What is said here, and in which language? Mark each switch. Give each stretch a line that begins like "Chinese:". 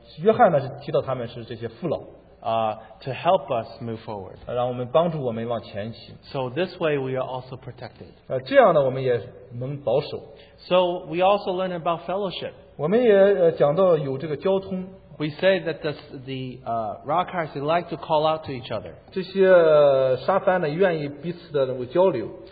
Chinese: 约翰呢是提到他们是这些父老。
English: To help us move forward.
Chinese: 让我们帮助我们往前行。
English: So this way we are also protected.
Chinese: 这样呢我们也能保守。
English: So we also learn about fellowship.
Chinese: 我们也讲到有这个交通。
English: We say that the rockers they like to call out to each other.
Chinese: 这些沙番呢愿意彼此的交流。